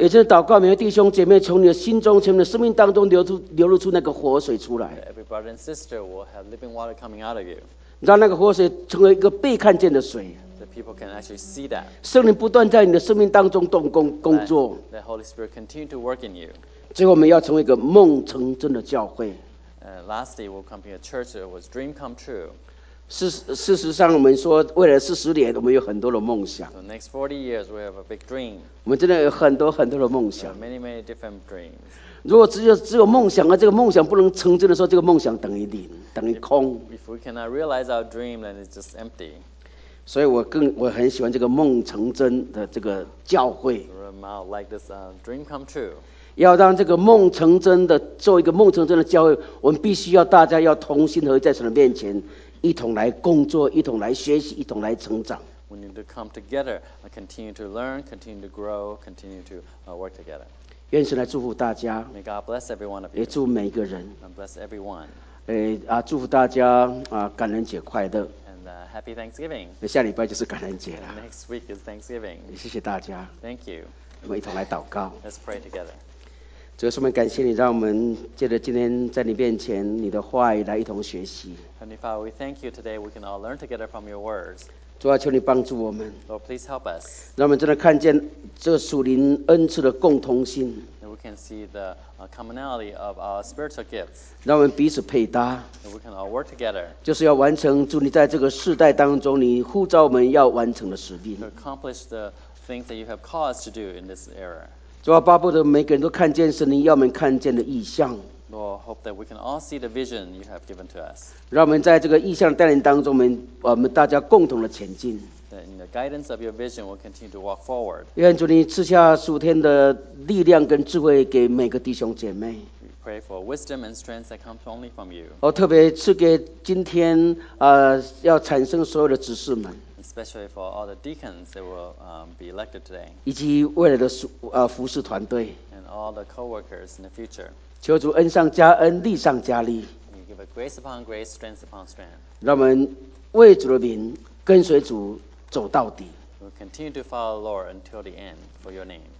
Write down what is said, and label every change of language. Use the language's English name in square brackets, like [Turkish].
[Chinese] 也就是祷告每位弟兄姐妹从你的心中、从你的生命当中流露出那个活水出来。 [English] Every brother and sister will have living water coming out of you. [Chinese] 让那个活水成为一个被看见的水。 [English] The people can actually see that. [Chinese] 圣灵不断在你的生命当中动工工作。 [English] The Holy Spirit continue to work in you. [Chinese] 最后我们要成为一个梦成真的教会。 [English] Lastly, we'll come to a church that was dream come true. [Chinese] 事实上我们说未来40年我们有很多的梦想。 [English] So next 40 years, we have a big dream. [Chinese] 我们真的有很多很多的梦想。 [English] There are many, many different dreams. [Chinese] 如果只有梦想，这个梦想不能成真的时候，这个梦想等于零，等于空。 [English] If we cannot realize our dream, then it's just empty. [Chinese] 所以我很喜欢这个梦成真的这个教会。 [English] I like this dream come true. [Chinese] 要让这个梦成真的做一个梦成真的教会，我们必须要大家要同心合意在神的面前，一同来工作，一同来学习，一同来成长。 [English] We need to come together, continue to learn, continue to grow, continue to work together. [Chinese] 愿神来祝福大家。 [English] May God bless every one of you. [Chinese] 也祝福每一个人。 [English] And bless everyone. [Chinese] 祝福大家感恩节快乐。 [English] And happy Thanksgiving. [Chinese] 下礼拜就是感恩节了。 [English] Next week is Thanksgiving. [Chinese] 谢谢大家。 [English] Thank you. [Chinese] 我们一同来祷告。 [English] Let's pray together. [Chinese] 主耶稣，我们感谢你，让我们借着今天在你面前，你的话语来一同学习。 [English] Heavenly Father, we thank you today. We can all learn together from your words. [Chinese] 主啊，求你帮助我们。 [English] Lord, please help us. [Chinese] 让我们真的看见这属灵恩赐的共同性。 [English] And we can see the commonality of our spiritual gifts. [Chinese] 让我们彼此配搭。 [English] And we can all work together. [Chinese] 就是要完成主你在这个世代当中你呼召我们要完成的使命。 [English] To accomplish the things that you have called us to do in this era. [Chinese] 主啊，巴不得每个人都看见神灵要我们看见的异象。 [English] Lord, hope that we can all see the vision you have given to us. [Chinese] 让我们在这个异象的带领当中，我们大家共同的前进。 [English] That in the guidance of your vision, we'll continue to walk forward. [Chinese] 愿主你赐下属天的力量跟智慧给每个弟兄姐妹。 [English] We pray for wisdom and strength that comes only from you. [Chinese] 哦，特别赐给今天要产生所有的执事们。 [English] Especially for all the deacons that will be elected today. [Chinese] 以及未来的服事团队。 [English] And all the co-workers in the future. [Chinese] 求主恩上加恩，力上加力。 [English] You give a grace upon grace, strength upon strength. [Chinese] 让我们为主的名跟随主走到底。 [English] We'll continue to follow the Lord until the end for your name.